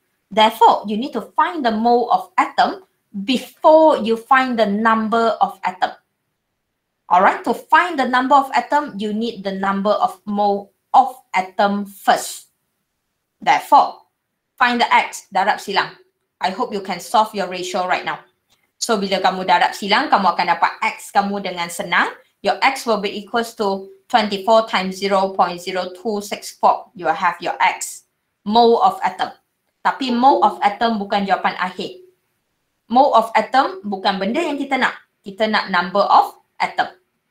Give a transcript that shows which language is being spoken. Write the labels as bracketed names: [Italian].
[English] Therefore, you need to find the mole of atom before you find the number of atom. All right, to find the number of atom, you need the number of mole of atom first. Therefore, find the X, [Malay] darab silang. [English] I hope you can solve your ratio right now. [Malay] So, bila kamu darab silang, kamu akan dapat X kamu dengan senang. [English] Your X will be equals to 24 times 0.0264. You will have your X, mole of atom. [Malay] Tapi mole of atom bukan jawapan akhir. Mole of atom bukan benda yang kita nak. Kita nak number of atom.